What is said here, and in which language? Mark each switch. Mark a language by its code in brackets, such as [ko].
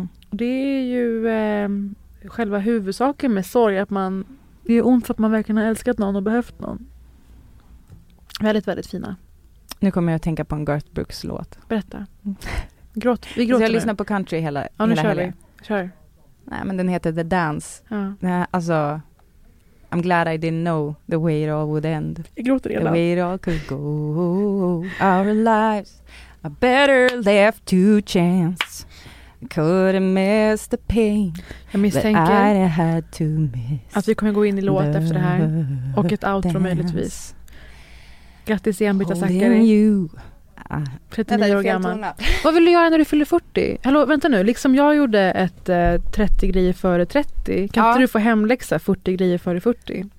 [sv] Och det är ju själva huvudsaken med sorg, att man, det är ont för att man verkligen har älskat någon och behövt någon. Väldigt, väldigt fina. Nu kommer jag att tänka på en Garth Brooks låt. Berätta. Gråt. Vi gråter. Så jag lyssnar på country hela helgen. Ja, nu hela kör vi. Kör. Nej, men den heter The Dance. Ja. [en] Alltså, I'm glad I didn't know the way it all would end. Jag gråter redan. The way it all could go. Our lives are better left to chance. Could have missed the pain. [sv] Jag misstänker [en] that I had to miss [sv] att vi kommer gå in i låt efter det här. Och ett outro dance. Möjligtvis. Grattis igen, Brita Zachary. [en] You. [sv] 39 år gammal. Vad vill du göra när du fyller 40? Hallå, vänta nu. Liksom jag gjorde ett 30 grejer före 30. Kan inte du få hemläxa 40 grejer före 40?